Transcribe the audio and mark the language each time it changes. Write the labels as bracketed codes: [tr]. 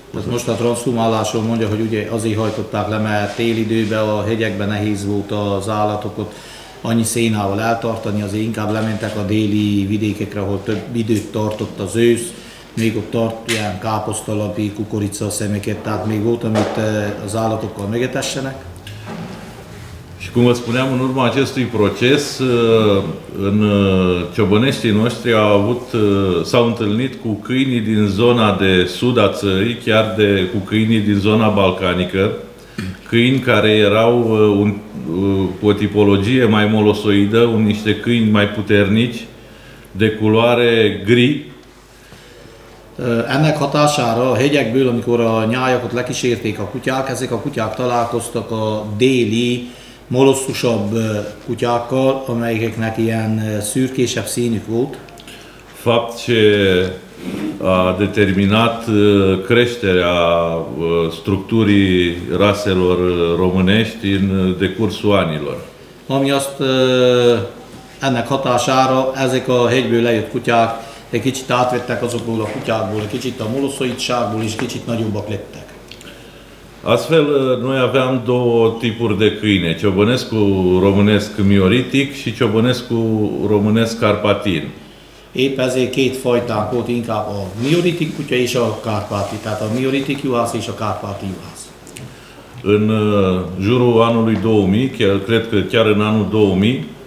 [hu] Most a transzumálásról mondja, hogy ugye azért hajtották le, mert téli időben a hegyekben nehéz volt az állatokat annyi szénával eltartani, azért inkább lementek a déli vidékekre, ahol több időt tartott az ősz, még ott tart ilyen káposztalapi kukorica szemeket, tehát még volt, amit az állatokkal megetessenek. [ro] Și cum vă spuneam, în urma acestui proces, în ciobăneștii noștri s-au întâlnit cu câinii din zona de sud a țării, chiar de, cu câinii din zona balcanică, câini care erau cu o tipologie mai molosoidă, niște câini mai puternici, de culoare gri, [hu] Ennek hatására a hegyekből, amikor a nyájakat lekísérték a kutyák, ezek a kutyák találkoztak a déli, molosszusabb kutyákkal, amelyeknek ilyen szürkésebb színük volt. [ro] Fapt ce a determinat creșterea structurii raselor românești în decursul anilor. [hu] Ami azt ennek hatására ezek a hegyből lejött kutyák egy kicsit átvettek azokból a kutyákból, egy kicsit a molosszaitságból és kicsit nagyobbak lettek. [ro] Astfel, noi aveam două tipuri de câine, ciobănescul românesc mioritic și ciobănescul românesc carpatin. [hu] Épp ezért két fajtánk volt, inkább a mioritic kutya és a kárpáti, tehát a mioritic juhász és a kárpáti juhász. [ro] În jurul anului 2000, cred că chiar în anul 2000,